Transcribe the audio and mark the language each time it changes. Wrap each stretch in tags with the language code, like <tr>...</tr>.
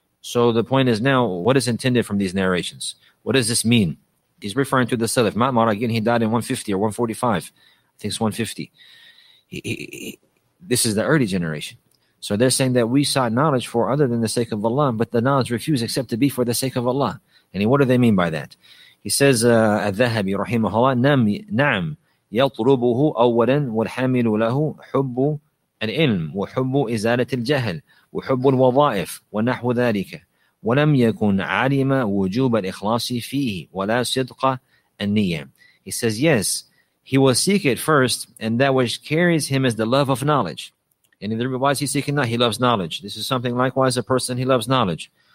<en>So the point is now, what is intended from these narrations? What does this mean? He's referring to the Salaf. Ma'mar, again, he died in 150 or 145. I think it's 150. This is the early generation. So they're saying that we sought knowledge for other than the sake of Allah, but the knowledge refused except to be for the sake of Allah. And what do they mean by that? He says,</en> <ar>الذهبي رحمه الله نعم يطلبه أولا والحامل له حب العلم وحب إزالة الجهل وحب الوظائف ونحو ذلك ولم يكن عالم وجوب الإخلاص فيه ولا صدق النية.</ar> <en>He says, yes, he will seek it first, and that which carries him is the love of knowledge. And in the why is he seeking that? He loves knowledge. This is something likewise, a person he loves knowledge.</en>